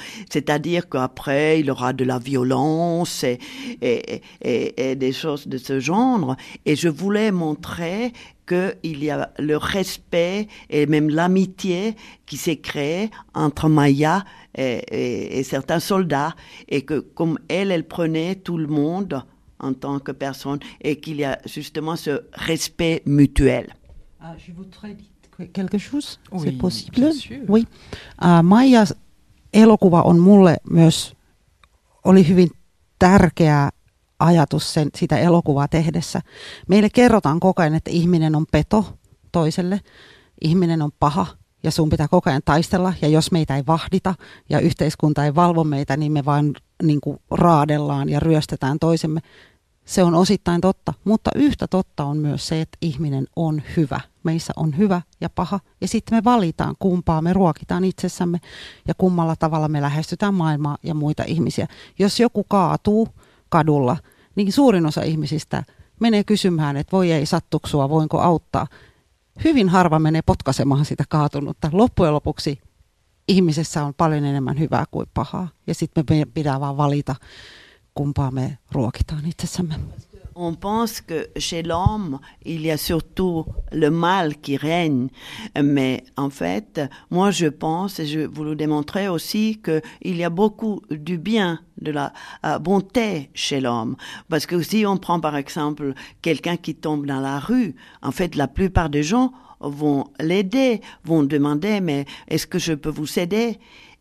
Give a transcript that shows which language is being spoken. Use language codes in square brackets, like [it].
[fr] c'est-à-dire qu'après il aura de la violence et des choses de ce genre, et je voulais montrer qu'il y a le respect et même l'amitié qui s'est créée entre Maya et certains soldats, et que comme elle prenait tout le monde en tant que personne, et qu'il y a justement ce respect mutuel. Je voudrais dire quelque chose, oui, c'est possible. Oui. [fi] Maya elokuva on mulle myös oli hyvin tärkeä ajatus sitä elokuvaa tehdessä. Meille kerrotaan koko ajan, että ihminen on peto toiselle, ihminen on paha ja sun pitää koko ajan taistella, ja jos meitä ei vahdita ja yhteiskunta ei valvo meitä, niin me vaan niin kuin raadellaan ja ryöstetään toisemme. Se on osittain totta, mutta yhtä totta on myös se, että ihminen on hyvä. Meissä on hyvä ja paha, ja sitten me valitaan kumpaa, me ruokitaan itsessämme ja kummalla tavalla me lähestytään maailmaa ja muita ihmisiä. Jos joku kaatuu kadulla, niin suurin osa ihmisistä menee kysymään, että voi ei sattuko sua, voinko auttaa. Hyvin harva menee potkaisemaan sitä kaatunutta. Loppujen lopuksi ihmisessä on paljon enemmän hyvää kuin pahaa. Ja sitten me pitää vaan valita, kumpaa me ruokitaan itsessämme. [fr] On pense que chez l'homme, il y a surtout le mal qui règne. Mais en fait, moi je pense, et je vous le démontrerai aussi, qu'il y a beaucoup du bien, de la bonté chez l'homme. Parce que si on prend par exemple quelqu'un qui tombe dans la rue, en fait la plupart des gens vont l'aider, vont demander « mais est-ce que je peux vous aider ?»